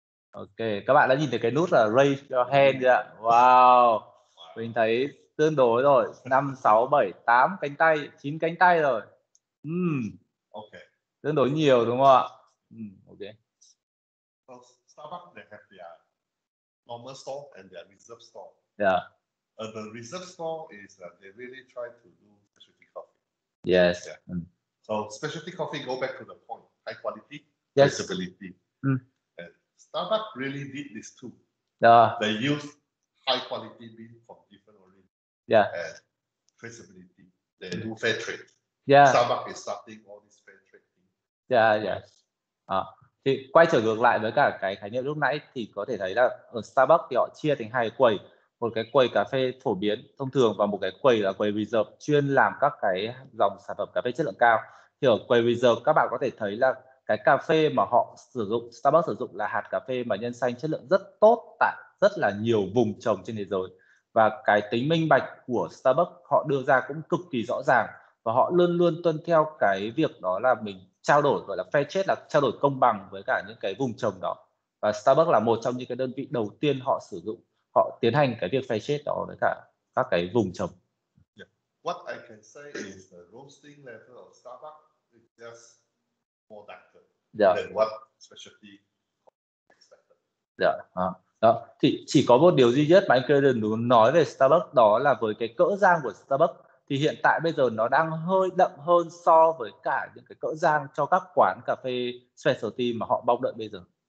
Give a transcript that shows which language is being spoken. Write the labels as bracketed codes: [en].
[vi] Ok, các bạn đã nhìn thấy cái nút là [en] raise your hand [vi] chưa ạ? Wow. Mình thấy tương đối rồi, 5 6 7 8 cánh tay, 9 cánh tay rồi. Ok. Tương đối nhiều đúng không ạ? Ok. [en] So Starbucks they have their normal store and their reserve store. Yeah. The reserve store is that they really try to do specialty coffee. Yes. Yeah. So specialty coffee, go back to the point, high quality, traceability. And Starbucks really did this too. They use high quality beans from different origins. Yeah. And traceability. They do fair trade. Yeah. Starbucks is starting all this fair trade thing. Yeah, yes. [vi] Thì quay trở ngược lại với cả cái khái niệm lúc nãy thì có thể thấy là ở Starbucks thì họ chia thành hai quầy. Một cái quầy cà phê phổ biến thông thường và một cái quầy là quầy reserve chuyên làm các cái dòng sản phẩm cà phê chất lượng cao. Thì ở quầy reserve các bạn có thể thấy là cái cà phê mà họ sử dụng, Starbucks sử dụng là hạt cà phê mà nhân xanh chất lượng rất tốt tại rất là nhiều vùng trồng trên thế giới. Và cái tính minh bạch của Starbucks họ đưa ra cũng cực kỳ rõ ràng và họ luôn luôn tuân theo cái việc đó là mình trao đổi gọi là fair trade, là trao đổi công bằng với cả những cái vùng trồng đó. Và Starbucks là một trong những cái đơn vị đầu tiên họ sử dụng họ tiến hành cái việc pha chế đó với cả các cái vùng trồng. [en] Yeah. What I can say is the roasting level of Starbucks is just more darker than what specialty expected. Yeah. [vi] Đó, thì chỉ có một điều duy nhất mà anh Kaden muốn nói về Starbucks, đó là với cái cỡ rang của Starbucks thì hiện tại bây giờ nó đang hơi đậm hơn so với cả những cái cỡ rang cho các quán cà phê specialty mà họ mong đợi bây giờ.